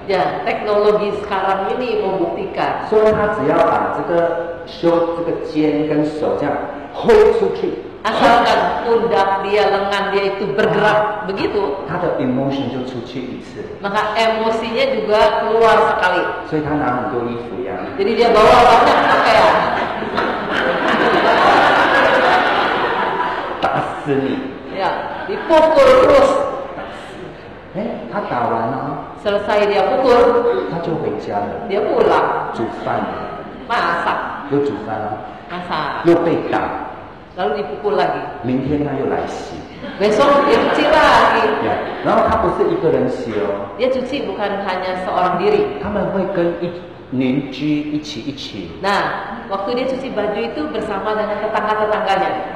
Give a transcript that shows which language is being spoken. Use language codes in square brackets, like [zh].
[id] Ya, teknologi sekarang ini membuktikan. [zh] 所以他只要把这个修这个肩跟手这样挥出去。 [id] Asalkan pundak dia, lengan dia itu bergerak begitu. [zh] 他的 emotion 就出去一次。 [id] Maka emosinya juga keluar sekali. [zh] 所以他拿很多衣服呀。 [id] Jadi dia bawa banyak pakaian. [zh] 打死你。 [id] Ya, dipukul terus. [zh] 他打完了、啊、 [id] selesai dia pukul， [zh] 他就回家了。 [id] Dia pulang， [zh] 煮饭了。 [id] Masak， [zh] 又煮饭了。 [id] Masak， [zh] 又被打。 [id] lalu dipukul lagi. [zh] 明天他又来洗。 [id] Besok dia cuci lagi. [zh] Ya, 然后他不是一个人洗哦。 [id] Dia cuci bukan hanya seorang diri. [zh] 他们会跟一邻居一起一起。 [id] Nah, waktu dia cuci baju itu bersama dengan tetangga-tetangganya.